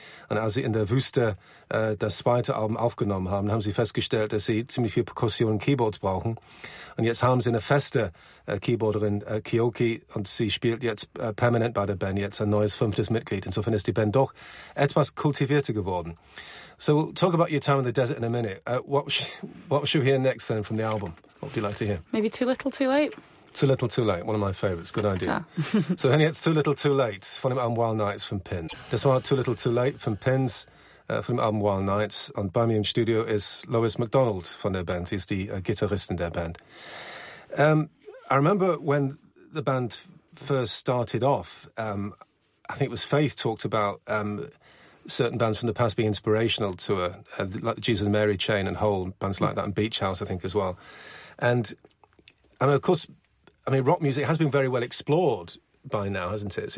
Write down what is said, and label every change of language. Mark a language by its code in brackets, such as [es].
[de] Und als sie in der Wüste das zweite Album aufgenommen haben, haben sie festgestellt, dass sie ziemlich viel Perkussion und Keyboards brauchen. Und jetzt haben sie eine feste Keyboarderin, Kyoki, und sie spielt jetzt permanent bei der Band, jetzt ein neues fünftes Mitglied. Insofern ist die Band doch etwas kultivierter geworden. [en] So we'll talk about your time in the desert in a minute. What should we hear next then from the album? What would you like to hear? Maybe Too Little Too Late. Too Little Too Late, one of my favourites. Good idea. [de] So hören jetzt Too Little Too Late von dem Album Wild Nights von Pin. Das war Too Little Too Late von Pins von dem Album Wild Nights. Und bei mir im Studio ist Lois McDonald von der Band. Sie ist die Gitarristin der Band. [en] I remember when the band first started off, I think it was Faith talked about certain bands from the past being inspirational to her, like Jesus and Mary Chain and Hole, bands like that, and Beach House, I think, as well. And of course, I mean, rock music has been very well explored by now, hasn't it?